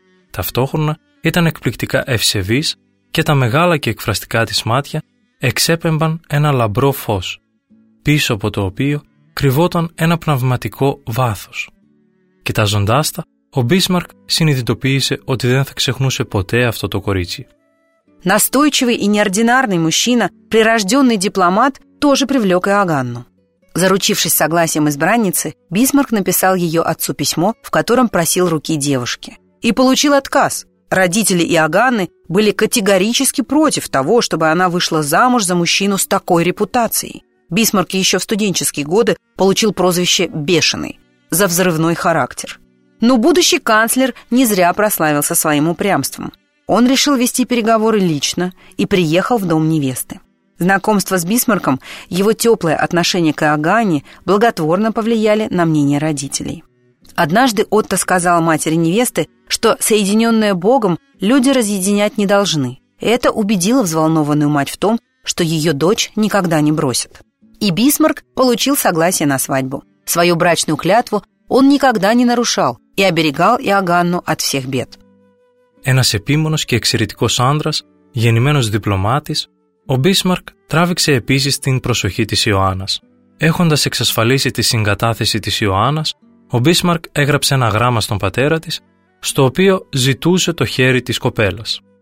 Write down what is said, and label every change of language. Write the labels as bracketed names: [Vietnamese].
[Greek] Ταυτόχρονα ήταν εκπληκτικά ευσεβής και τα μεγάλα και εκφραστικά της μάτια εξέπεμπαν ένα λαμπρό φως, πίσω από το οποίο κρυβόταν ένα πνευματικό βάθος. Κοιτάζοντάς τα, ο Μπίσμαρκ συνειδητοποίησε ότι δεν θα ξεχνούσε ποτέ αυτό το κορίτσι. [Russian] Настойчивый и неординарный мужчина, прирожденный дипломат, тоже привлек Иоганну. Заручившись согласием избранницы, Бисмарк написал ее отцу письмо, в котором просил руки девушки. И получил отказ. Родители Иоганны были категорически против того, чтобы она вышла замуж за мужчину с такой репутацией. Бисмарк еще в студенческие годы получил прозвище «бешеный» за взрывной характер. Но будущий канцлер не зря прославился своим упрямством. Он решил вести переговоры лично и приехал в дом невесты. Знакомство с Бисмарком, его теплое отношение к Иоганне благотворно повлияли на мнение родителей. Однажды Отто сказал матери невесты, что соединенные Богом люди разъединять не должны. Это убедило взволнованную мать в том, что ее дочь никогда не бросит. И Бисмарк получил согласие на свадьбу. Свою брачную клятву он никогда не нарушал и оберегал Иоганну от всех бед. [Greek] Ένας επίμονος και εξαιρετικός άντρας, γεννημένος διπλωμάτης, ο Μπίσμαρκ τράβηξε επίσης την προσοχή της Ιωάννας. Έχοντας εξασφαλίσει τη συγκατάθεση της Ιωάννας, ο Μπίσμαρκ έγραψε ένα γράμμα στον πατέρα της, στο οποίο ζητούσε το χέρι της κοπέλας.